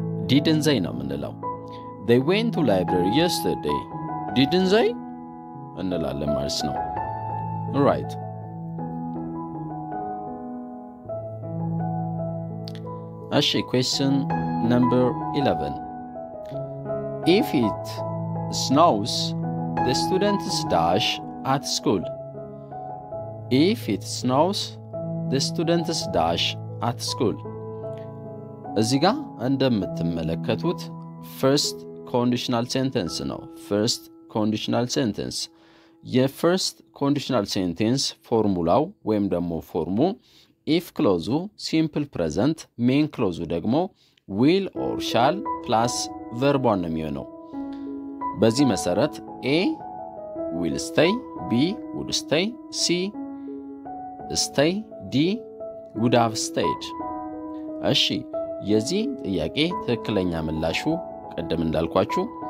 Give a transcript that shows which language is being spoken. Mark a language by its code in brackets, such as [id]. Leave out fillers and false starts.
[en] didn't they [am] ነው እንላው [en] they went to library yesterday didn't they [am] እንላለን ማለት ነው [en] right Okay, question number 11. If it snows, the students dash at school. If it snows, the students dash at school. [am] እዚህ ጋር እንደምትመለከቱት [en] first conditional sentence [am] ነው. [en] First conditional sentence. [am] የfirst conditional sentence ፎርሙላው ወይም ደግሞ ፎርሙ [en] if clause simple present main clause [am] ደግሞ [en] will or shall plus verb [am] ነው የሚሆነው በዚህ መሰረት [en] a will stay b would stay c stay d would have stayed [am] እሺ የዚህ ጥያቄ ትክክለኛ ምላሹ ቀደም እንዳልኳችሁ